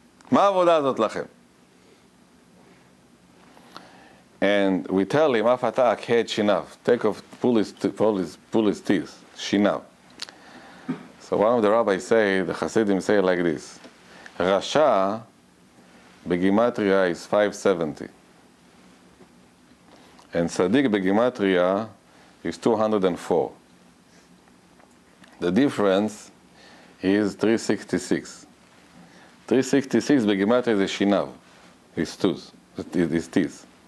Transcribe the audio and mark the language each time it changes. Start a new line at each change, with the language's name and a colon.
Hebrew: מה העבודה הזאת לכם?
English: And we tell him,
Hebrew: אף אתה אכהד שיניו.
English: Take off, pull his teeth.
Hebrew: שיניו.
English: So one of the rabbis say, the Hasidim say it like this.
Hebrew: רשע בגימטריה
English: is 570. And
Hebrew: צדיק בגימטריה
English: is 204. The difference is 366. 366 begimatria is a shinav, his teeth.